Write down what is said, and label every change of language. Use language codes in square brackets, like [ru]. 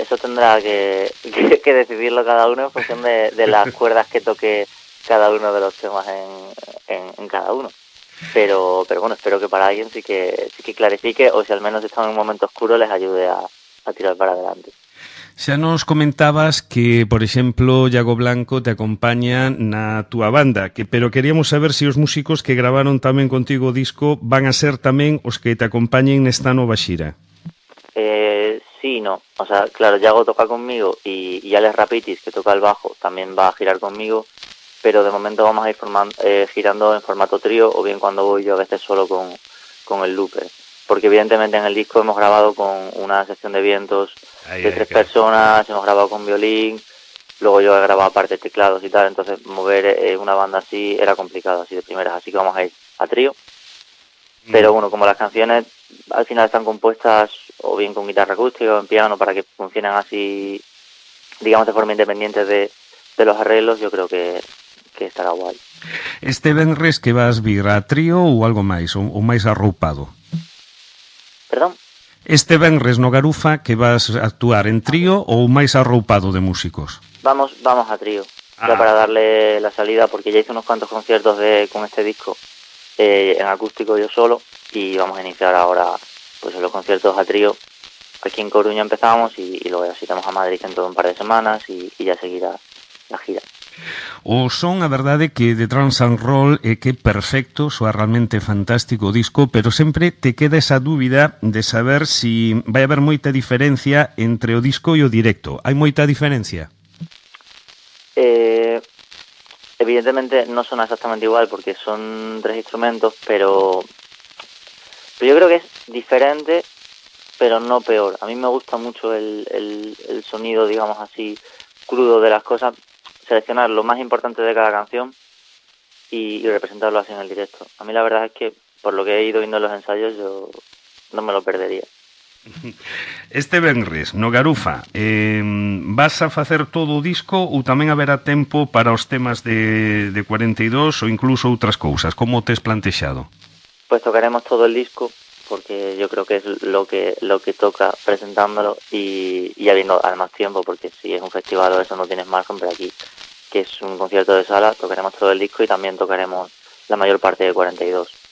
[es] Eso tendrá que decidirlo cada uno en función de las cuerdas que toque cada uno de los temas en cada uno. Pero bueno, espero que para alguien sí que clarifique, o si al menos están en un momento oscuro, les ayude a tirar para adelante. [gl] Xa nos comentabas que, por exemplo, Iago Blanco te acompaña na túa banda, pero queríamos saber si os músicos que grabaron tamén contigo o disco van a ser tamén os que te acompañen nesta nova xira. [es] Sí, no. O sea, claro, Iago toca conmigo y Alex Rapitis, que toca el bajo, también va a girar conmigo. Pero de momento vamos a ir girando en formato trío, o bien cuando voy yo a veces solo con el looper. Porque evidentemente en el disco hemos grabado con una sección de vientos de tres personas, hemos grabado con violín, luego yo he grabado aparte teclados y tal, entonces mover una banda así era complicado, así de primeras. Así que vamos a ir a trío. Pero bueno, como las canciones al final están compuestas o bien con guitarra acústica o en piano, para que funcionen así, digamos, de forma independiente de los arreglos, yo creo que estará guay. [gl] Este venres que vas a vir a trío o algo máis, o máis arroupado? [es] Perdón? [gl] Este venres no Garufa que vas a actuar en trío ou máis arroupado de músicos? [es] Vamos a trío, ya para darle la salida, porque ya hice unos cuantos conciertos con este disco en acústico yo solo, y vamos a iniciar ahora pues los conciertos a trío. Aquí en Coruña empezamos y luego así vamos a Madrid dentro de un par de semanas y ya seguirá la gira. [gl] O son, a verdade, que de Trans and Roll é que perfecto, soa realmente fantástico o disco, pero sempre te queda esa dúbida de saber si vai haber moita diferencia entre o disco e o directo. Hai moita diferencia? Evidentemente non son exactamente igual, [es] porque son tres instrumentos, pero yo creo que es diferente, pero no peor. A mí me gusta mucho el sonido, digamos así, crudo de las cosas, seleccionar lo más importante de cada canción y representarlo así en el directo. A mí la verdad es que, por lo que he ido viendo en los ensayos, yo no me lo perdería. [gl] Este venres, no Garufa, ¿vas a facer todo o disco ou tamén haberá tempo para os temas de 42 ou incluso outras cousas? Como te has plantexado? [es] Pues tocaremos todo el disco, porque yo creo que es lo que toca presentándolo y habiendo además tiempo, porque si es un festival o eso no tienes margen, pero aquí, que es un concierto de sala, tocaremos todo el disco y también tocaremos la mayor parte de 42.